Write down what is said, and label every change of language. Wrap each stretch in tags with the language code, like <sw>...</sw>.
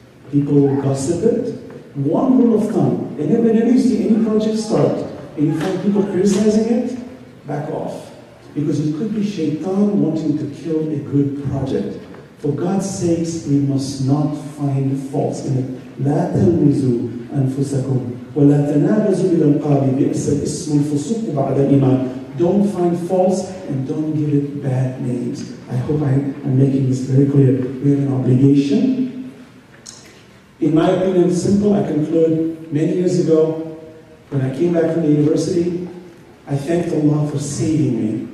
<en>People will gossip it. One rule of thumb, and then whenever you see any project start, and you find people criticizing it, back off. Because it could be Shaitan wanting to kill a good project. For God's sakes, we must not find faults in it.</en> <ar>لا تلمزوا أنفسكم ولا تنابزوا بالألقاب بئس الاسم الفسوق بعد الإيمان.</ar> <en>Don't find faults and don't give it bad names. I hope I am making this very clear. We have an obligation. In my opinion, simple, I conclude, many years ago, when I came back from the university, I thanked Allah for saving me.</en>